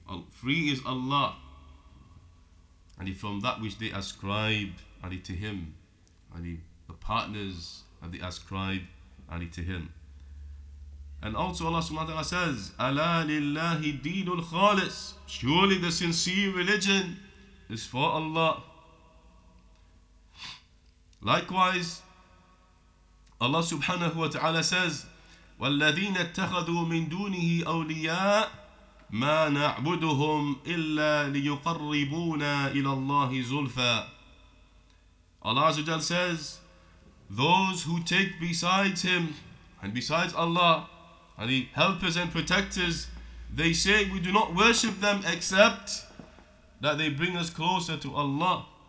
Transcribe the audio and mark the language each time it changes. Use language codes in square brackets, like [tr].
[en] Free is Allah from that which they ascribe to Him, the partners that they ascribe to Him. And also Allah subhanahu wa ta'ala says, [ar] Ala lillahi deenul khalis. [en] Surely the sincere religion is for Allah. Likewise, [ar] Allah subhanahu wa ta'ala says, وَالَّذِينَ اتَّخَذُوا مِن دُونِهِ أَوْلِيَاءَ مَا نَعْبُدُهُمْ إِلَّا لِيُقَرِّبُونَ إِلَى اللَّهِ زُلْفَى. [en] Allah Azza wa Jalla says, those who take besides Him and besides Allah, and the helpers and protectors, they say, we do not worship them except that they bring us closer to Allah.